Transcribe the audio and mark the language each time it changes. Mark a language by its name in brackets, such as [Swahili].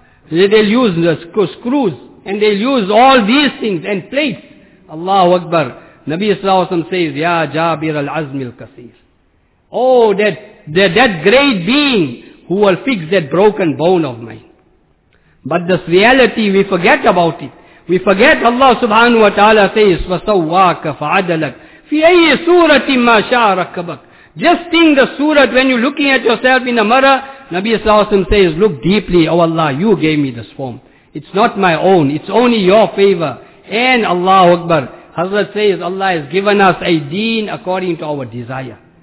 [English] They'll use the screws and they'll use all these things and plates. Allahu Akbar. Nabi Sallallahu Alaihi Wasallam says, [Arabic] Ya Jabir al-Azm al-Kasir. [English] Oh, that great being who will fix that broken bone of mine. But this reality, we forget about it. We forget Allah subhanahu wa ta'ala says, [Arabic] فَسَوَّاكَ فَعَدَلَكَ فِي أَيِّ سُورَةٍ مَا شَاءَ رَكَّبَكَ. [English] Just think the surah when you're looking at yourself in the mirror, Nabi Sallallahu Alaihi Wasallam says, look deeply, O Allah, you gave me this form. It's not my own, it's only your favor. And Allahu Akbar, Hazrat says, Allah has given us a deen according to our desire.